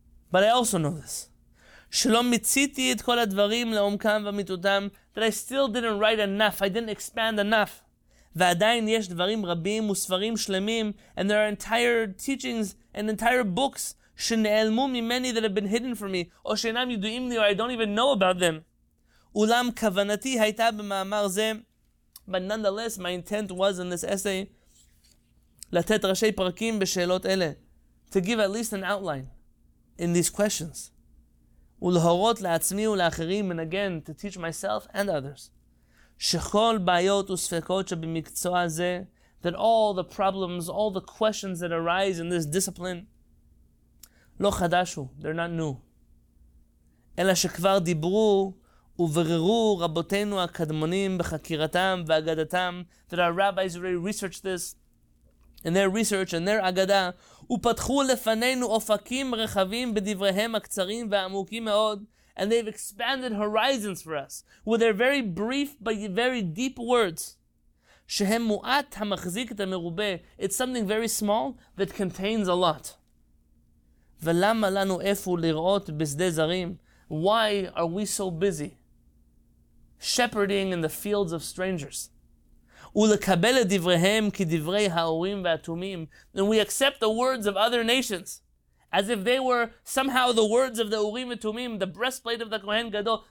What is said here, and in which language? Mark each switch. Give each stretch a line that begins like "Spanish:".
English: But I also know this, that I still didn't write enough, I didn't expand enough. And there are entire teachings and entire books that have been hidden from me, or I don't even know about them. But nonetheless, my intent was in this essay
Hebrew: לתת ראשי פרקים בשאלות אלה,
English: to give at least an outline in these questions,
Hebrew: ולהורות לעצמי ולאחרים,
English: and again, to teach myself and others,
Hebrew: שכל בעיות וספקות שבמקצוע זה,
English: that all the problems, all the questions that arise in this discipline,
Hebrew: לא חדשו,
English: they're not new,
Hebrew: אלא שכבר דיברו ובררו רבותינו הקדמונים בחקירתם ואגדתם,
English: that our rabbis already researched this, in their research and their agada,
Hebrew: ופתחו לפנינו אופקים רחבים בדבריהם הקצרים והעמוקים מאוד,
English: and they've expanded horizons for us with their very brief but very deep words,
Hebrew: שהם מועט המחזיק את המרובה.
English: It's something very small that contains a lot.
Hebrew: ולמה לנו איפה לראות בשדה זרים?
English: Why are we so busy shepherding in the fields of strangers?
Hebrew: ולקבל את דבריהם כדברי האורים והתומים.
English: And we accept the words of other nations as if they were somehow the words of the Urim ותומים, the breastplate of the Kohen Gadol.